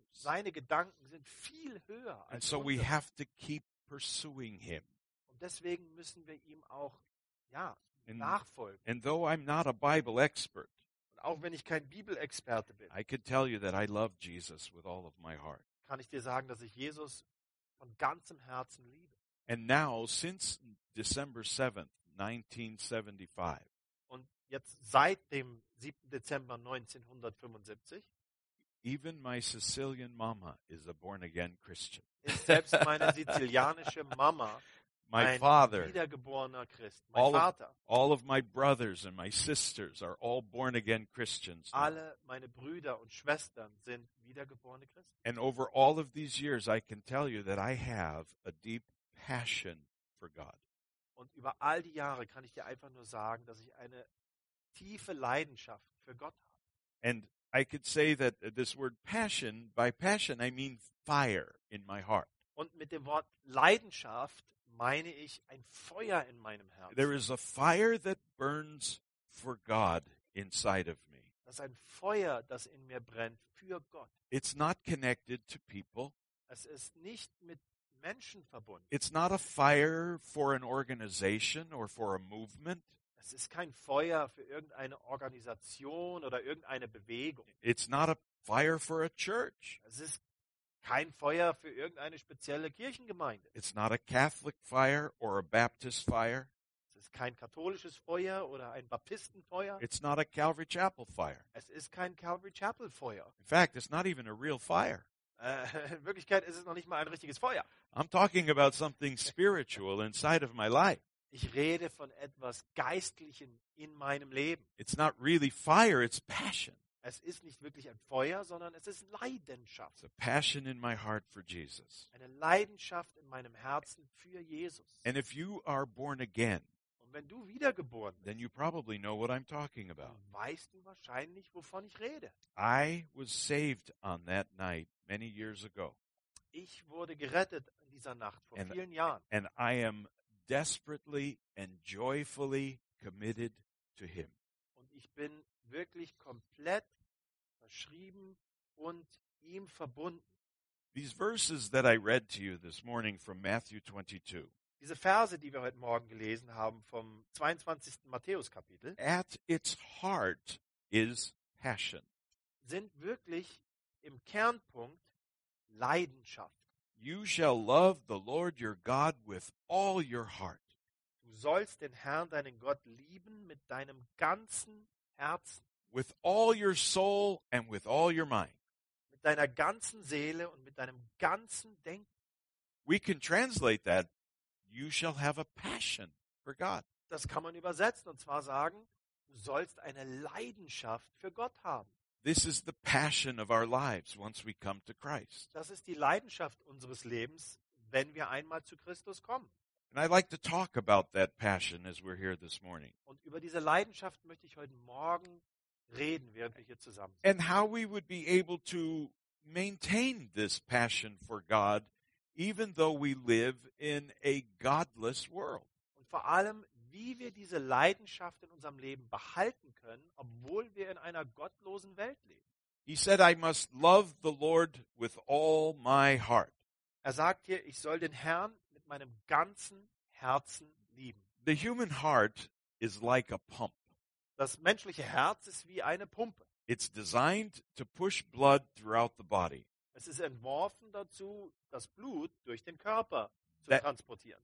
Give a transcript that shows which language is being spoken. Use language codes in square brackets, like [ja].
[de] Seine Gedanken sind viel höher als unsere. [en] And so we have to keep pursuing him. [de] Und deswegen müssen wir ihm auch nachfolgen. [en] And though I'm not a Bible expert, [de] und auch wenn ich kein Bibelexperte bin, [en] I can tell you that I love Jesus with all of my heart. [de] Kann ich dir sagen, dass ich Jesus von ganzem Herzen liebe. [en] And now, since December 7th, 1975, [de] jetzt seit dem 7. Dezember 1975. [en] Even my Sicilian mama is a born again Christian. [de] Selbst meine sizilianische Mama, [en] my [de] ein [en] father, [de] wiedergeborener Christ, mein Vater. [en] All of my brothers and my sisters are all born again Christians. [de] Alle meine Brüder und Schwestern sind wiedergeborene Christen. [en] And over all of these years I can tell you that I have a deep passion for God. [de] Und über all die Jahre kann ich dir einfach nur sagen, dass ich eine tiefe Leidenschaft für Gott haben. [en] And I could say that this word passion, by passion I mean fire in my heart. [de] Und mit dem Wort Leidenschaft meine ich ein Feuer in meinem Herzen. [en] There is a fire that burns for God inside of me. [de] Das ist ein Feuer, das in mir brennt für Gott. [en] It's not connected to people. [de] Es ist nicht mit Menschen verbunden. [en] It's not a fire for an organization or for a movement. [de] Es ist kein Feuer für irgendeine Organisation oder irgendeine Bewegung. [en] It's not a fire for a church. [de] Es ist kein Feuer für irgendeine spezielle Kirchengemeinde. [en] It's not a Catholic fire or a Baptist fire. [de] Es ist kein katholisches Feuer oder ein Baptistenfeuer. [en] It's not a Calvary Chapel fire. [de] Es ist kein Calvary Chapel Feuer. [en] In fact, it's not even a real fire. [de] In Wirklichkeit ist es noch nicht mal ein richtiges Feuer. [en] I'm talking about something spiritual inside of my life. [de] Ich rede von etwas Geistlichem in meinem Leben. [en] It's not really fire, it's passion. [de] Es ist nicht wirklich ein Feuer, sondern es ist Leidenschaft. [en] It's a passion in my heart for Jesus. [de] Eine Leidenschaft in meinem Herzen für Jesus. [en] And if you are born again, [de] und wenn du wiedergeboren bist, [en] then you probably know what I'm talking about. [de] Dann weißt du wahrscheinlich, wovon ich rede. [en] I was saved on that night many years ago. [de] Ich wurde gerettet in dieser Nacht vor vielen Jahren. [en] And I am desperately and joyfully committed to him. [de] Und ich bin wirklich komplett verschrieben und ihm verbunden. [en] These verses that I read to you this morning from Matthew 22. [de] diese Verse, die wir heute Morgen gelesen haben vom 22. Matthäus-Kapitel, [en] at its heart is passion. [de] Sind wirklich im Kernpunkt Leidenschaft. [en] You shall love the Lord your God with all your heart. [de] Du sollst den Herrn deinen Gott lieben mit deinem ganzen Herzen. [en] With all your soul and with all your mind. [de] Mit deiner ganzen Seele und mit deinem ganzen Denken. [en] We can translate that, you shall have a passion for God. [de] Das kann man übersetzen und zwar sagen, du sollst eine Leidenschaft für Gott haben. [en] This is the passion of our lives once we come to Christ. [de] Das ist die Leidenschaft unseres Lebens, wenn wir einmal zu Christus kommen. [en] And I'd like to talk about that passion as we're here this morning. [de] Und über diese Leidenschaft möchte ich heute Morgen reden, während wir hier zusammen sind. [en] And how we would be able to maintain this passion for God, even though we live in a godless world. [de] Und vor allem, wie wir diese Leidenschaft in unserem Leben behalten können, obwohl wir in einer gottlosen Welt leben. [en] He said, I must love the Lord with all my heart. [de] Er sagt hier, ich soll den Herrn mit meinem ganzen Herzen lieben. [en] The human heart is like a pump. [de] Das menschliche Herz ist wie eine Pumpe. [en] It's designed to push blood throughout the body. [de] Es ist entworfen dazu, das Blut durch den Körper zu transportieren.